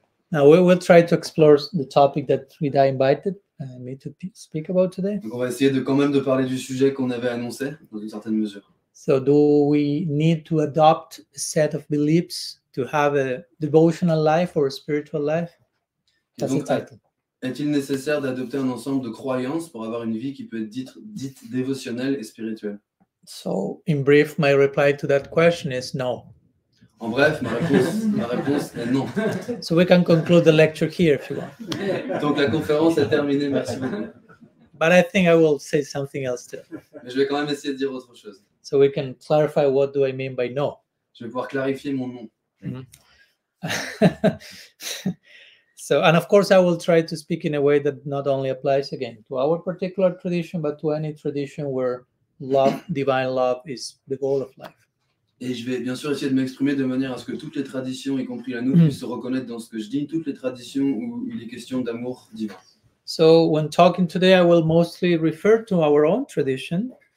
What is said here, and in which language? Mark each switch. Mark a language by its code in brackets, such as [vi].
[en] Now we will try to explore the topic that Frida invited me to speak about today. [fr] Donc on va essayer de quand même de parler du sujet qu'on avait annoncé dans une certaine mesure. [en] So do we need to adopt a set of beliefs to have a devotional life or a spiritual life? That's the title. [fr] Est-il nécessaire d'adopter un ensemble de croyances pour avoir une vie qui peut être dite dévotionnelle et spirituelle? [en] So in brief, my reply to that question is no. [fr] En bref, ma réponse est non. [en] So we can conclude the lecture here if you want. [fr] Donc la conférence est terminée, merci beaucoup. [en] But I think I will say something else too. [fr] Mais je vais quand même essayer de dire autre chose. [en] So we can clarify what do I mean by no. [fr] Je vais pouvoir clarifier mon nom. Mm-hmm. [en] So, and of course I will try to speak in a way that not only applies again to our particular tradition, but to any tradition where love, divine love is the goal of life. [fr] Et je vais bien sûr essayer de m'exprimer de manière à ce que toutes les traditions, y compris la nôtre, puissent se reconnaître dans ce que je dis, toutes les traditions où il est question d'amour divin. [en] So when talking today, I will mostly refer to our own tradition.